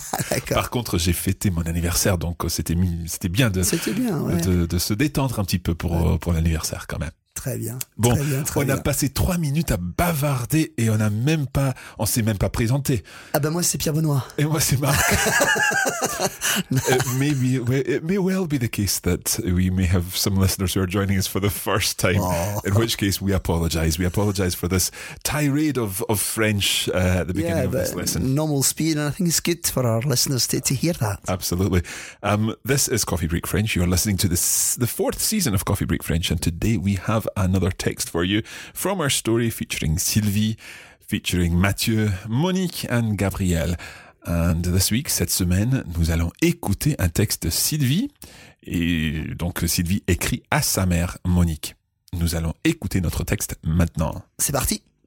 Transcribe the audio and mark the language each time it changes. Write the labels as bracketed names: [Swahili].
[French] D'accord. Par contre, j'ai fêté mon anniversaire, donc c'était bien. De se détendre un petit peu pour l'anniversaire quand même. Très bien. Bon, très bien, très on a bien. Passé 3 minutes à bavarder et on s'est même pas présenté. Ah ben moi c'est Pierre Benoît. Et moi c'est Marc. [English] It may well be the case that we may have some listeners who are joining us for the first time. Oh. In which case we apologize. We apologize for this tirade of French at the beginning of this lesson. Normal speed, and I think it's good for our listeners to hear that. Absolutely. This is Coffee Break French. You are listening to the fourth season of Coffee Break French, and today we have another text for you from our story featuring Sylvie, featuring Mathieu, Monique and Gabrielle. And this week, [French] cette semaine, nous allons écouter un texte de Sylvie. Et donc, Sylvie écrit à sa mère, Monique. Nous allons écouter notre texte maintenant. C'est parti.